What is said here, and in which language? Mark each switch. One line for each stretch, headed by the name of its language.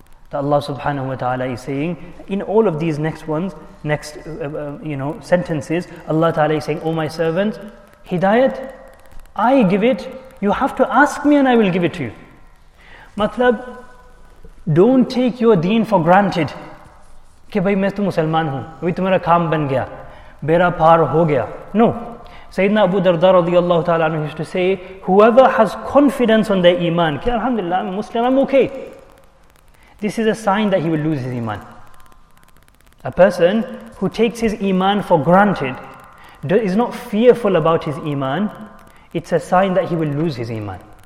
English: That Allah subhanahu wa ta'ala is saying, in all of these next sentences, Allah ta'ala is saying, O my servant, hidayat, I give it, you have to ask me and I will give it to you. Matlab, don't take your deen for granted.
Urdu: کہ بھائی میں تو مسلمان ہوں، ابھی تمہارا کام بن گیا، میرا پار ہو گیا.
English: No. Sayyidina Abu Darda radiallahu ta'ala anhu used to say, whoever has confidence on their iman, ke alhamdulillah, I'm a Muslim, I'm okay. This is a sign that he will lose his iman. A person who takes his iman for granted, is not fearful about his iman, it's a sign that he will lose his iman.